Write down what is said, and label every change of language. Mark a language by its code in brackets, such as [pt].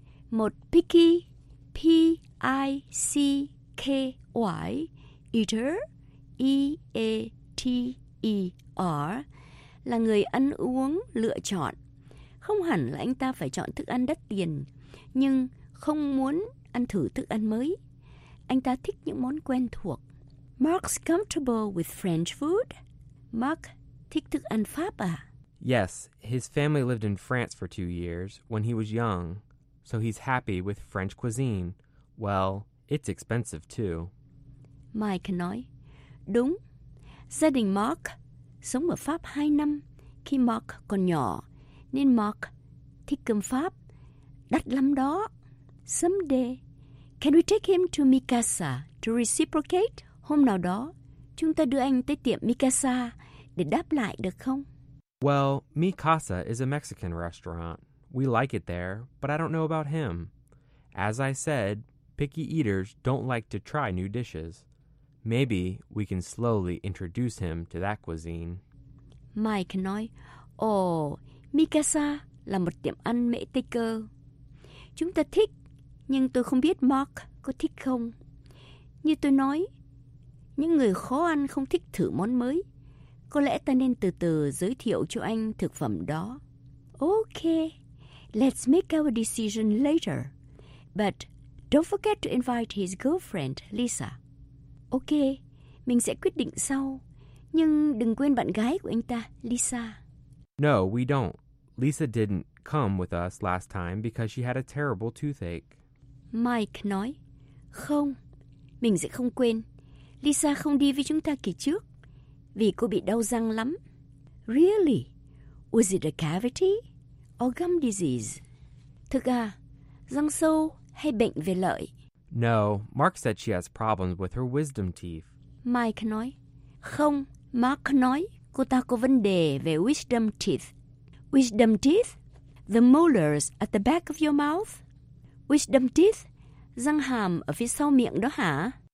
[vi] Một picky, P-I-C-K-Y, eater, E-A-T-E-R, là người ăn uống lựa chọn. Không hẳn là anh ta phải chọn thức ăn đắt tiền, nhưng không muốn ăn thử thức ăn mới. Anh ta thích những món quen thuộc. [en] Mark's comfortable with French food? [vi] Mark thích thức ăn Pháp à? [en] Yes, his family lived in France for 2 years when he was young, so he's happy with French cuisine. Well, it's expensive too. [vi] Mike nói, đúng. Gia đình Mark sống ở Pháp 2 năm khi Mark còn nhỏ, nên Mark thích cơm Pháp. Đắt lắm đó. [en] Someday, can we take him to Mikasa to reciprocate? [vi] Hôm nào đó, chúng ta đưa anh tới tiệm Mikasa để đáp lại được không? [en] Well, Mikasa is a Mexican restaurant. We like it there, but I don't know about him. As I said, picky eaters don't like to try new dishes. Maybe we can slowly introduce him to that cuisine. [vi] Mike nói, Mikasa là một tiệm ăn Mỹ Tây cơ. Chúng ta thích, nhưng tôi không biết Mark có thích không. Như tôi nói, Những người khó ăn không thích thử món mới. Có lẽ ta nên từ từ giới thiệu cho anh thực phẩm đó. [en] Ok, let's make our decision later. But don't forget to invite his girlfriend, Lisa. [vi] Ok, mình sẽ quyết định sau. Nhưng đừng quên bạn gái của anh ta, Lisa. [en] No, we don't. Lisa didn't come with us last time because she had a terrible toothache. [vi] Mike nói, không, mình sẽ không quên. Lisa không đi với chúng ta kỳ trước vì cô bị đau răng lắm. [en] Really? Was it a cavity or gum disease? [vi] Thực à, răng sâu hay bệnh về lợi? [en] No, Mark said she has problems with her wisdom teeth. [vi] Mike nói, không, Mark nói cô ta có vấn đề về wisdom teeth. [en] Wisdom teeth? The molars at the back of your mouth? Wisdom teeth? [vi] Răng hàm ở phía sau miệng đó hả?